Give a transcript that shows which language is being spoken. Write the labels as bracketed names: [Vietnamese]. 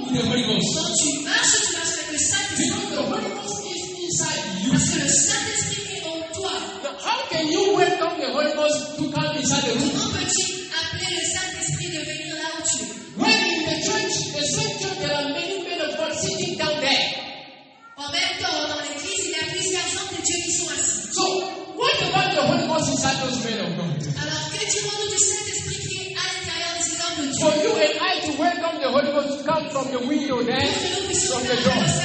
[French] Quand tu marches, tu marches avec le Saint-Esprit. Parce que le Saint-Esprit est en toi. [English] How can you welcome the Holy Ghost to come inside the room? [French] Comment peux-tu appeler le Saint-Esprit de venir là où tu es? [English] When in the church, the same church, there are many men of God sitting down there. [French] En même temps, dans l'église, il y a plusieurs hommes de Dieu qui sont assis. [English] So, what about the Holy Ghost inside those men of God? [French] Alors, que dirons-nous du Saint-Esprit qui est à l'intérieur de ces hommes de Dieu? [English] For you and I to welcome the Holy Ghost to come. From the window there, from the door.